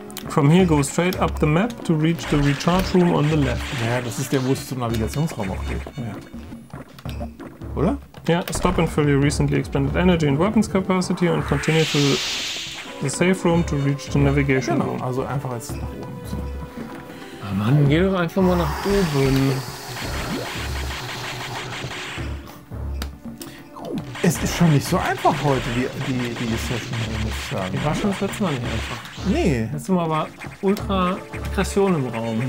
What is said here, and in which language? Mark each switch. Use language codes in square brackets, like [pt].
[en] From here go straight up the map to reach the recharge room on the left. [de] Ja, das ist der, wo es zum Navigationsraum auch geht. Ja. Oder? [en] Ja, stop and fill your recently expanded energy and weapons capacity and continue to the safe room to reach the navigation [de] genau. [en] room. [de] Also einfach jetzt nach oben. Ah Mann, geh doch einfach mal nach oben. Es ist schon nicht so einfach heute, die Session, muss ich sagen. Ich war schon das letzte Mal nicht einfach. Nee. Jetzt sind wir aber ultra Aggression im Raum.